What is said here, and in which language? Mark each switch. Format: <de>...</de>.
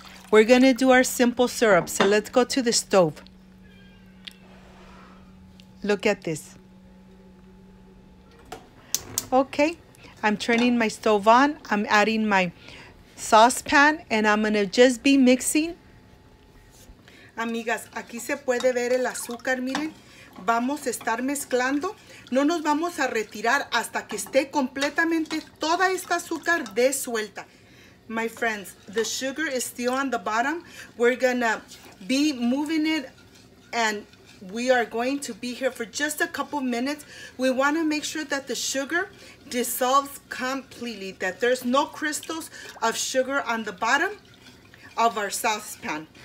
<en>We're going to do our simple syrup. So let's go to the stove. Look at this. Okay. I'm turning my stove on. I'm adding my saucepan, and I'm gonna just be mixing.</en> <es>Amigas, aquí se puede ver el azúcar, miren. Vamos a estar mezclando. No nos vamos a retirar hasta que esté completamente toda esta azúcar desuelta.</es> <en>My friends, the sugar is still on the bottom. We're gonna be moving it, and we are going to be here for just a couple minutes. We want to make sure that the sugar dissolves completely, that there's no crystals of sugar on the bottom of our saucepan.</en>